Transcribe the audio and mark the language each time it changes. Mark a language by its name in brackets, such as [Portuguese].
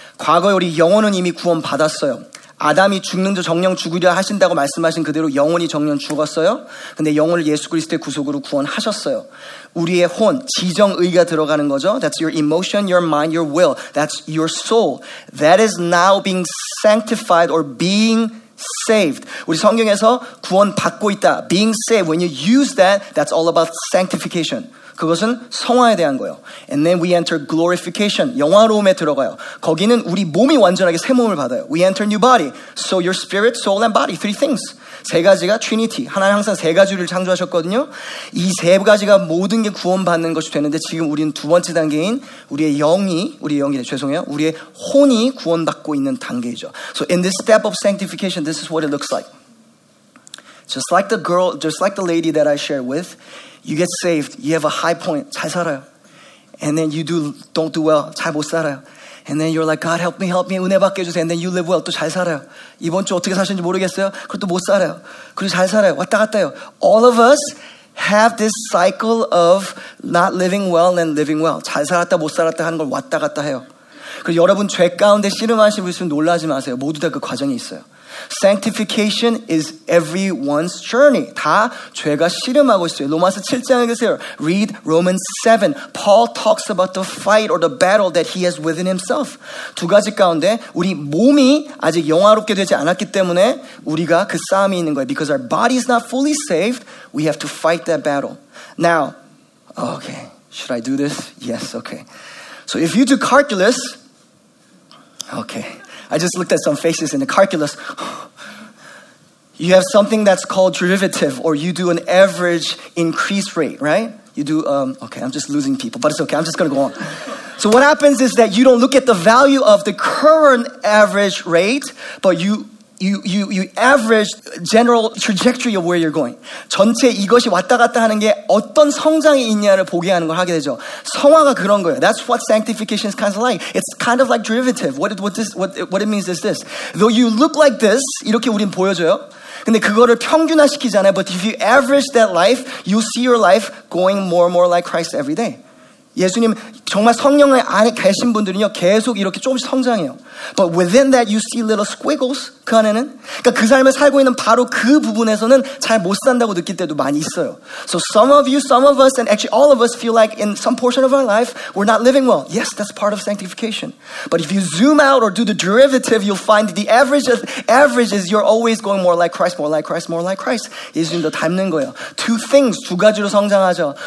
[Korean] 과거에 우리 영혼은 이미 구원 받았어요. 아담이 죽는 자 정령 죽으려 하신다고 말씀하신 그대로 영혼이 정령 죽었어요. 근데 영혼을 예수 그리스도의 구속으로 구원하셨어요. 우리의 혼, 지정의가 들어가는 거죠. [English] That's your emotion, your mind, your will. That's your soul. That is now being sanctified or being saved. [Korean] 우리 성경에서 구원 받고 있다. [English] Being saved. When you use that, that's all about sanctification. [Korean] 그것은 성화에 대한 거예요. [English] And then we enter glorification. [Korean] 영화로움에 들어가요. 거기는 우리 몸이 완전하게 새 몸을 받아요. [English] We enter new body. So your spirit, soul, and body. Three things. [Korean] 세 가지가 [English] Trinity. [Korean] 하나님 항상 세 가지를 창조하셨거든요. 이 세 가지가 모든 게 구원 받는 것이 되는데 지금 우리는 두 번째 단계인 우리의 혼이 구원 받고 있는 단계이죠. [English] So in this step of sanctification, this is what it looks like. Just like the girl, just like the lady that I shared with, you get saved, you have a high point, [Korean] 잘 살아요. [English] And then you don't do well, [Korean] 잘 못 살아요. [English] And then you're like, God, help me, [Korean] 은혜 받게 해주세요. [English] And then you live well, [Korean] 또 잘 살아요. 이번 주 어떻게 사시는지 모르겠어요. 그리고 또 못 살아요. 그리고 잘 살아요. 왔다 갔다 해요. [English] All of us have this cycle of not living well and living well. [Korean] 잘 살았다, 못 살았다 하는 걸 왔다 갔다 해요. 그리고 여러분 죄 가운데 씨름하시는 분 있으면 놀라지 마세요. 모두 다 그 과정이 있어요. [English] Sanctification is everyone's journey. [Korean] 다 죄가 씨름하고 있어요. 로마서 7장 읽으세요. [English] Read Romans 7. Paul talks about the fight or the battle that he has within himself. [Korean] 두 가지 가운데 우리 몸이 아직 영화롭게 되지 않았기 때문에 우리가 그 싸움이 있는 거예요. [English] Because our body is not fully saved, we have to fight that battle. Now, okay, should I do this? Yes, okay. So if you do calculus, okay. I just looked at some faces in the calculus. You have something that's called derivative, or you do an average increase rate, right? You do, okay, I'm just losing people, but it's okay, I'm just gonna go on. So what happens is that you don't look at the value of the current average rate, but you average general trajectory of where you're going. [Korean] 전체 이것이 왔다 갔다 하는 게 어떤 성장이 있냐를 보게 하는 걸 하게 되죠. 성화가 그런 거예요. [English] That's what sanctification is kind of like. It's kind of like derivative. What it means is this. Though you look like this, [Korean] 이렇게 우린 보여줘요. 근데 그거를 평균화시키잖아요. [English] But if you average that life, you'll see your life going more and more like Christ every day. 예수님 [Korean] 정말 성령 안에 계신 분들은요, 계속 이렇게 조금씩 성장해요. [English] But within that you see little squiggles, [Korean] 그 안에는. 그러니까 그 삶을 살고 있는 바로 그 부분에서는 잘 못 산다고 느낄 때도 많이 있어요. [English] So some of you, some of us, and actually all of us feel like in some portion of our life, we're not living well. Yes, that's part of sanctification. But if you zoom out or do the derivative, you'll find the average is you're always going more like Christ, more like Christ, more like Christ. [Korean] 예수님도 닮는 거예요. [English] Two things, [Korean] 두 가지로 성장하죠.